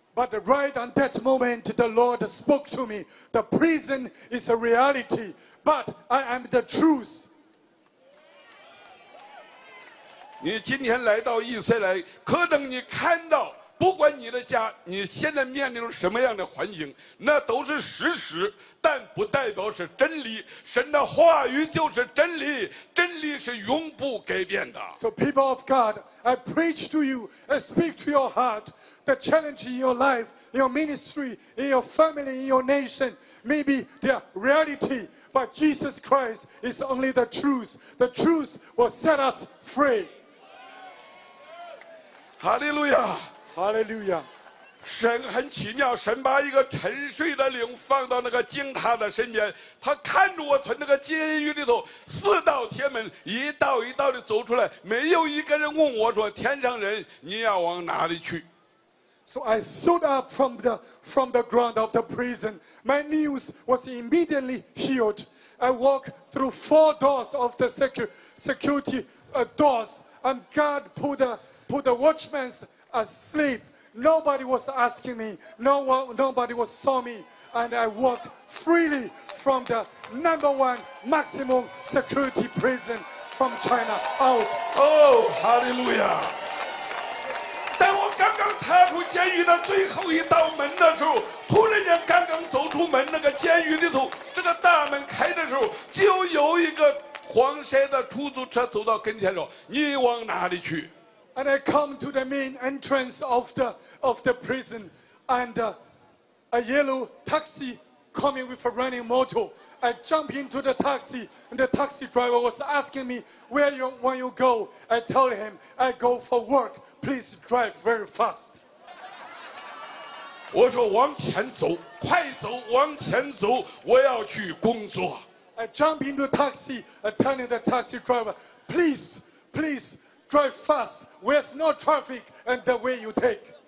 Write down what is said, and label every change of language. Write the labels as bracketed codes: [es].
[en] But right at that moment, the Lord spoke to me. The prison is a reality, but I am the truth. [zh] 你今天来到以色列，可能你看到，不管你的家，你现在面临什么样的环境，那都是事实，但不代表是真理。神的话语就是真理，真理是永不改变的。 [en] So people of God, I preach to you, I speak to your heart. The challenge in your life, in your ministry, in your family, in your nation, maybe the reality, but Jesus Christ is only the truth. The truth will set us free. [zh] 哈利路亚，哈利路亚！神很奇妙，神把一个沉睡的灵放到那个惊塔的身边，他看着我从那个监狱里头四道铁门一道一道的走出来，没有一个人问我说：“天上人，你要往哪里去？” [en] So I stood up from the ground of the prison. My knees was immediately healed. I walked through four doors of the security doors, and God put the watchman asleep. Nobody was asking me. Nobody was saw me. And I walked freely from the number one maximum security prison from China out. Oh, hallelujah. [zh] 当我刚刚踏出监狱的最后一道门的时候，突然间刚刚走出门，那个监狱里头，这个大门开的时候，就有一个黄色的出租车走到跟前说，你往哪里去？ [en] And I come to the main entrance of the prison, and a yellow taxi coming with a running motor. I jump into the taxi, and the taxi driver was asking me, where you want you go? I told him, I go for work. Please drive very fast. [zh] 我说往前走，快走，往前走，我要去工作。 [en] I jump into the taxi, I tell the taxi driver, please, please, drive fast. There's no traffic and the way you take.